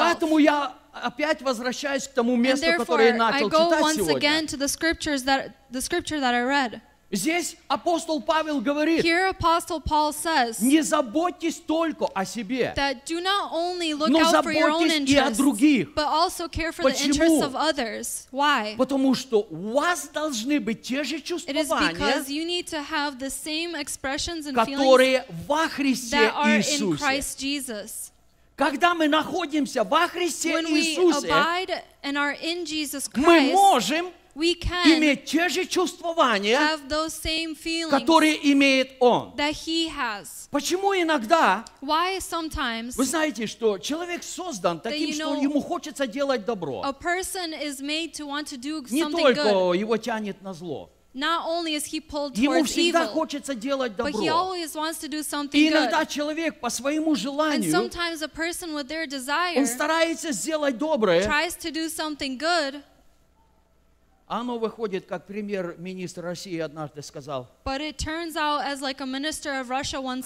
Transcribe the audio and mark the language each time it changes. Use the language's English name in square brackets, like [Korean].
[Russian] Поэтому я опять возвращаюсь к тому месту, которое я начал читать сегодня. [English] And therefore, I go once again to the scriptures that the scripture that I read. [Russian] Здесь апостол Павел говорит, [English] here Apostle Paul says, [Russian] не заботьтесь только о себе, [English] that do not only look [Russian] но [English] out [Russian] заботьтесь [English] for your own interests, [Russian] и о других. [English] But also care for [Russian] почему? [English] The interests of others. Why? [Russian] Потому что у вас должны быть те же чувствования, [English] it is because you need to have the same expressions and [Russian] которые [English] feelings [Russian] во Христе [English] that are [Russian] Иисусе. [English] In Christ Jesus. [Russian] Когда мы находимся во Христе [English] when [Russian] Иисусе, [English] we abide and are in Jesus Christ, [Russian] мы можем [English] we can [Russian] иметь те же чувствования, [English] have those same feelings, [Russian] которые имеет Он. [English] That he has. [Russian] Почему иногда [English] why sometimes, [Russian] вы знаете, что человек создан таким, [English] you know, [Russian] что ему хочется делать добро. [English] A person is made to want to do something [Russian] не только [English] good. [Russian] Его тянет на зло. [English] Not only is he pulled towards [Russian] ему всегда [English] evil, [Russian] хочется делать добро. [English] But he always wants to do something [Russian] и иногда [English] good. [Russian] Человек по своему желанию [English] and sometimes a person with their desire, [Russian] он старается сделать доброе [English] tries to do something good, [Russian] Оно выходит, как премьер-министр России однажды сказал. [English] But it turns out, as like a minister of Russia once